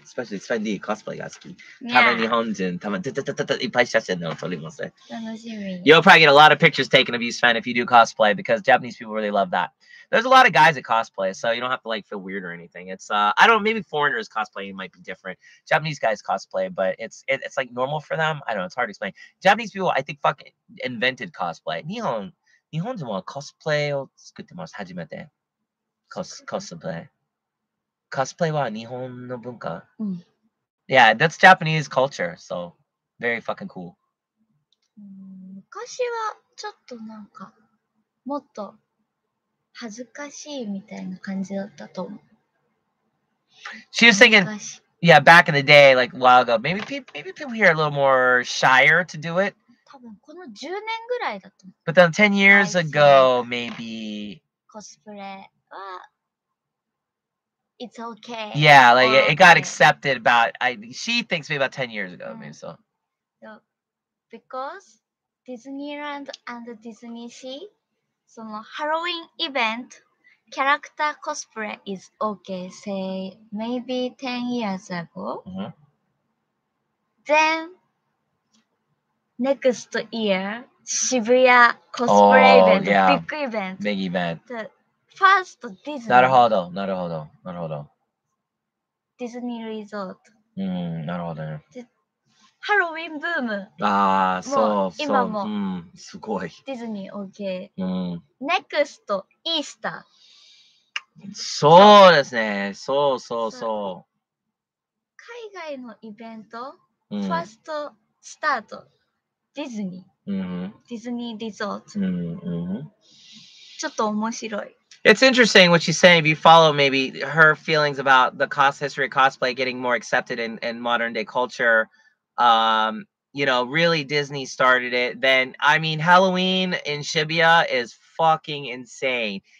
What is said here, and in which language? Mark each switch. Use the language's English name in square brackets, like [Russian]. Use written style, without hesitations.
[Japanese] スペシャルスペンディーコスプレが好き。たぶん日本人、たぶん、いっぱい写真を撮りますね。楽しみ。 [English] You'll probably get a lot of pictures taken of you, Sven, if you do cosplay, because Japanese people really love that. There's a lot of guys that cosplay, so you don't have to, like, feel weird or anything. It's, I don't know, maybe foreigners cosplaying might be different. Japanese guys cosplay, but it's like, normal for them. I don't know, it's hard to explain. Japanese people, I think, fucking invented cosplay. [Japanese] 日本人はコスプレを作ってます、初めて。コスプレ。Cosplay は日本の文化。 [English] Yeah, that's Japanese culture, so very fucking cool. [Japanese] 昔はちょっとなんかもっと恥ずかしいみたいな感じだったと思う。 [English] She was thinking, yeah, back in the day, like a while ago, maybe people here are a little more shyer to do it. [Japanese] 多分この10年ぐらいだと思う。 [English] But then 10 years ago, maybe. Cosplay は…It's okay. Yeah, like it got accepted about, she thinks maybe about 10 years ago, I mean, so. Because Disneyland and the DisneySea, その Halloween event, character cosplay is okay, say maybe 10 years ago. Then, next year, Shibuya cosplay event, big event. Big event. First Disney. [Japanese] なるほど、なるほど、なるほど。ディズニーリゾート。なるほどね。ハロウィンブーム。ああ、そう、そう。今も。すごい。ディズニー OK。うん。 Next イースター。そうですね。そうそうそう。海外のイベント、ファーストスタート、ディズニー。ディズニーリゾート。ちょっと面白い。 [English] It's interesting what she's saying. If you follow maybe her feelings about the history of cosplay getting more accepted in modern day culture, you know, really Disney started it. Then, I mean, Halloween in Shibuya is fucking insane.